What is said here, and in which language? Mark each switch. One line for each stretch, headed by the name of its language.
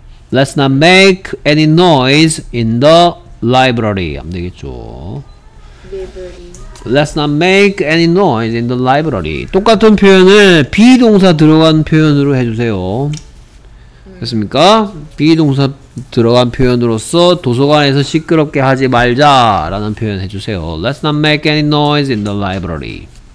English: Let's not make any noise in the library.
Korean: 하면 되겠죠.
English: Let's not make any noise in the library.
Korean: 똑같은 표현을 비동사 들어간 표현으로 해주세요. 됐습니까? 비동사 들어간 표현으로서 도서관에서 시끄럽게 하지 말자 라는 표현 해주세요.
English: Let's not make any noise in the library.